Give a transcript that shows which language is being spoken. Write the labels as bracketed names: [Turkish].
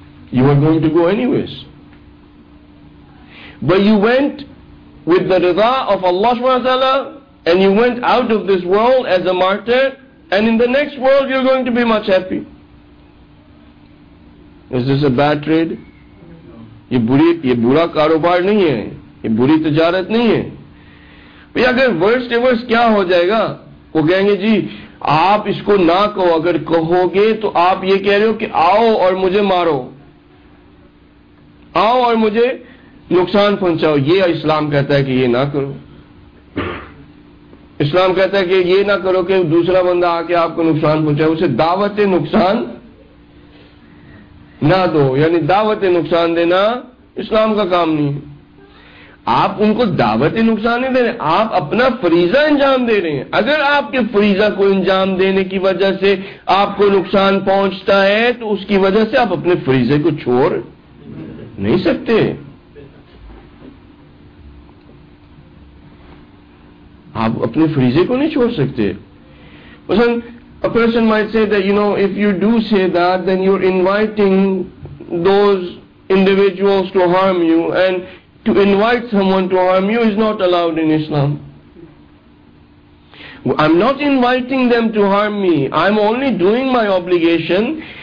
[English] You were going to go anyways. But you went with the rida of Allah subhanahu wa ta'ala, and you went out of this world as a martyr, and in the next world you're going to be much happy. Is this a bad trade? [Hindi] ये बुरा कारोबार नहीं है, ये बुरी तजारत नहीं है। भैया अगर वर्स्ट एवर्स क्या हो जाएगा? वो कहेंगे जी आप इसको ना कहो, अगर कहोगे तो आप ये कह रहे हो कि आओ और मुझे मारो, आओ और मुझे नुकसान पहुंचाओ। ये इस्लाम कहता है कि ये ना करो, इस्लाम कहता है कि ये ना करो कि दूसरा बंदा आके आपको नुकसान पहुंचाए, उसे दावत नुकसान ना दो, यानी दावत नुकसान देना इस्लाम का काम नहीं है। आप उनको दावत नुकसान नहीं दे रहे, आप अपना फरीजा अंजाम दे रहे हैं। अगर आपके फरीजा को अंजाम देने की वजह से आपको नुकसान पहुंचता है, तो उसकी वजह से आप अपने फरीजे को छोड़ नहीं सकते। आप अपने फरीजे को नहीं छोड़ सकते। [English] A person might say that, you know, if you do say that, then you're inviting those individuals to harm you, and to invite someone to harm you is not allowed in Islam. I'm not inviting them to harm me. I'm only doing my obligation.